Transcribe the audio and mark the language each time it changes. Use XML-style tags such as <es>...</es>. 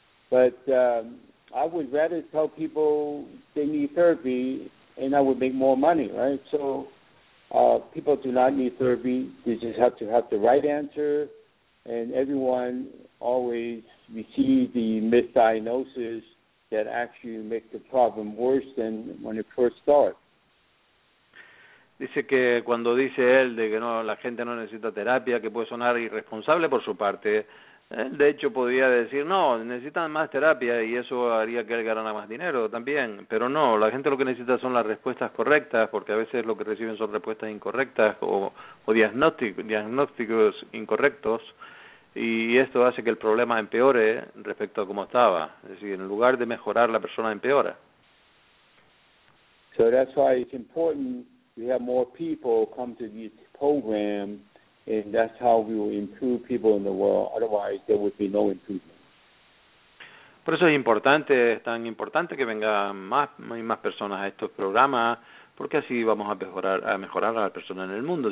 <en>But I would rather tell people they need therapy and I would make more money, right? So people do not need therapy. They just have to have the right answer. And everyone always receives the misdiagnosis that actually make the problem worse than when it first starts.</en> <es>Dice que cuando dice él de que no, la gente no necesita terapia, que puede sonar irresponsable por su parte, él de hecho podría decir, no, necesitan más terapia y eso haría que él ganara más dinero también. Pero no, la gente lo que necesita son las respuestas correctas, porque a veces lo que reciben son respuestas incorrectas o diagnósticos incorrectos. Y esto hace que el problema empeore respecto a cómo estaba. Es decir, en lugar de mejorar, la persona empeora.</es> <en>So that's why it's important we have more people come to this program, and that's how we will improve people in the world. Otherwise, there would be no improvement.</en> <es>Por eso es importante, es tan importante que vengan más personas a estos programas, porque así vamos a mejorar a las personas en el mundo.</es>